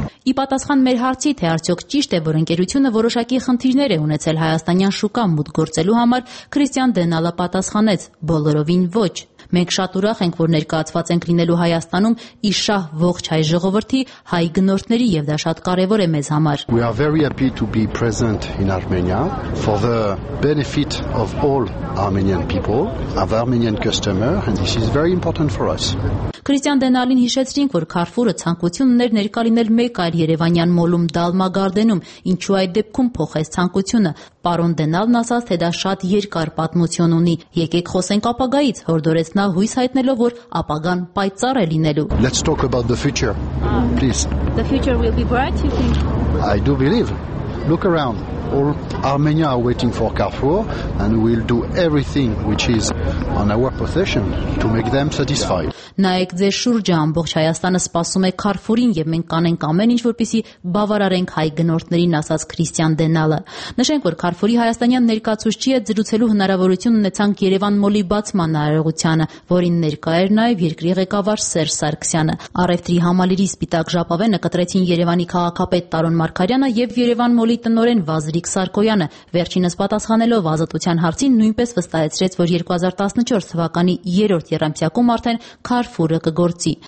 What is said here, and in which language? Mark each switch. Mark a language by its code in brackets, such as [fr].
[hy] Ի պատասխան մեր հարցի, թե արդյոք ճիշտ է, որ ընկերությունը որոշակի խնդիրներ է ունեցել հայաստանյան շուկա մուտք գործելու համար, Քրիստիան Դենալը պատասխանեց՝ բոլորովին ոչ։ Մենք շատ ուրախ ենք, որ ներկայացված ենք լինելու Հայաստանում իշահ ողջ հայ ժողովրդի, հայ գնորդների, եւ դա շատ կարեւոր է մեզ համար։ [en] We are very happy to be present in Armenia for the benefit of all Armenian people, of Armenian customer, and this is very important for us. [hy] Քրիստիան Դենալին հիշեցրինք, որ Carrefour-ը ցանկություն ուներ ներկա լինել մեկ այլ Երևանյան մոլում Դալմա Garden-ում, ինչու այդ դեպքում փոխեց ցանկությունը։ Պարոն Դենալն ասաց, թե դա շատ երկար պատմություն ունի։ Եկեք խոսենք ապագայից, հորդորեց նա հույս հայտնելով, որ ապագան պայծառ է լինելու։ [en] Let's talk about the future. Please. The future will be bright, you think? I do believe. Look around. All Armenia are waiting for Carrefour and we'll do everything which is on our possession to make them satisfied. [hy] Նայեք ձեր շուրջը, ամբողջ Հայաստանը սպասում է Carrefour-ին եւ մենք կանենք ամեն ինչ, որպեսզի բավարարենք հայ գնորդներին, ասաց Քրիստիան Դենալը։ Նշենք, որ Carrefour-ի հայաստանյան ներկայացուցիչի հետ զրուցելու հնարավորություն ունեցան Երևան մոլի բացման արարողությանը, որին ներկա էր նաեւ երկրի ղեկավար Սերժ Սարգսյանը։ Առևտրի համալիրի սպիտակ ժապավենը կտրեցին Երևանի քաղաքապետ Տարոն Մարկարյանը եւ Երևան մոլի տնօրեն Վազրիկ Սարգսյանը։ Վերջինս պատասխանելով Ազատության հարցին նույնպես վստահեցրեց, որ 2014 թվականի երրորդ եռամսյակում արդեն Carrefour-ը կգործի։